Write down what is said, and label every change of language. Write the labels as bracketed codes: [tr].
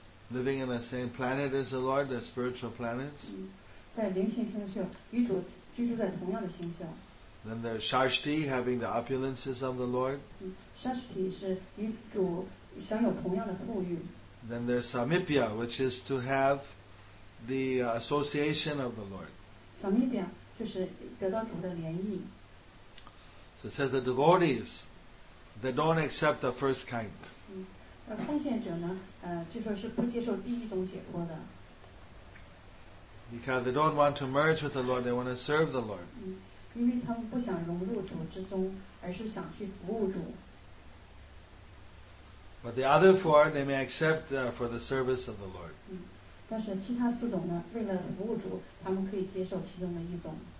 [en] Living in the same planet as the Lord, the spiritual planets. [zh] 在灵性星宿，与主居住在同样的星宿。 [en] Then there's Shashti, having the opulences of the Lord. [zh] Shashti 是与主享有同样的富裕。 [en] Then there's Samipya, which is to have the association of the Lord. [zh] Samipya. 就是得到主的联谊。 [en] So says the devotees, they don't accept the first kind. [zh] 奉献者呢，据说是不接受第一种解脱的。 [en] Because they don't want to merge with the Lord, they want to serve the Lord. [zh] 因为他们不想融入主之中，而是想去服务主。 [en] But the other four, they may accept for the service of the Lord. [zh] 但是其他四种呢，为了服务主，他们可以接受其中的一种。